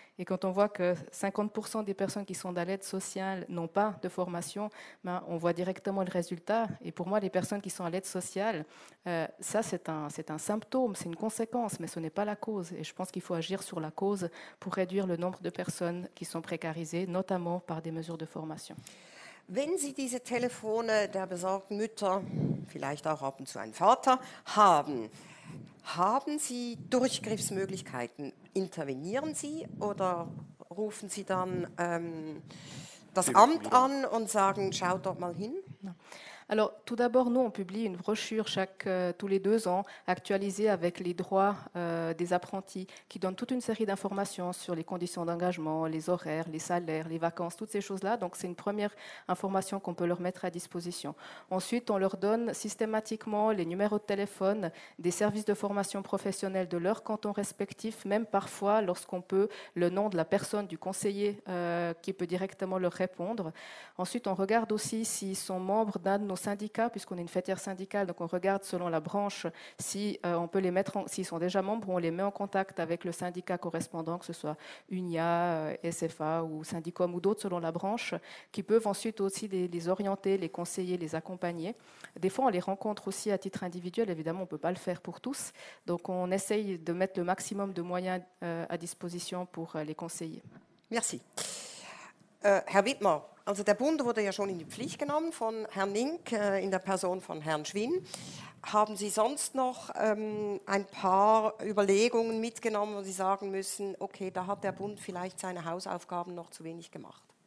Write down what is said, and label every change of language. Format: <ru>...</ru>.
<fr>Et quand on voit que 50% des personnes qui sont dans l'aide sociale n'ont pas de formation, ben on voit directement le résultat. Et pour moi, les personnes qui sont à l'aide sociale, ça, c'est un symptôme, c'est une conséquence, mais ce n'est pas la cause. Et je pense qu'il faut agir sur la cause pour réduire le nombre de personnes qui sont précarisées, notamment par des mesures de formation.</fr> <de>Wenn Sie diese Telefone der besorgten Mütter, vielleicht auch ab und zu einen Vater, haben, haben Sie Durchgriffsmöglichkeiten? Intervenieren Sie oder rufen Sie dann das Amt an und sagen, schaut dort mal hin?</de> <fr>Alors, tout d'abord, nous, on publie une brochure tous les deux ans, actualisée avec les droits des apprentis, qui donne toute une série d'informations sur les conditions d'engagement, les horaires, les salaires, les vacances, toutes ces choses-là. Donc, c'est une première information qu'on peut leur mettre à disposition. Ensuite, on leur donne systématiquement les numéros de téléphone des services de formation professionnelle de leur canton respectif, même parfois, lorsqu'on peut, le nom de la personne, du conseiller, qui peut directement leur répondre. Ensuite, on regarde aussi s'ils sont membres d'un nos syndicats, puisqu'on est une fêtière syndicale, donc on regarde selon la branche si on peut les mettre, s'ils sont déjà membres, on les met en contact avec le syndicat correspondant, que ce soit UNIA, SFA ou Syndicom ou d'autres selon la branche, qui peuvent ensuite aussi les orienter, les conseiller, les accompagner. Des fois, on les rencontre aussi à titre individuel, évidemment, on ne peut pas le faire pour tous, donc on essaye de mettre le maximum de moyens à disposition pour les conseiller. Merci.</fr> <de>Herr Wittmer, also der Bund wurde ja schon in die Pflicht genommen von Herrn Nink in der Person von Herrn Schwinn. Haben Sie sonst noch ein paar Überlegungen mitgenommen, wo Sie sagen müssen, okay, da hat der Bund vielleicht seine Hausaufgaben noch zu wenig gemacht?</de>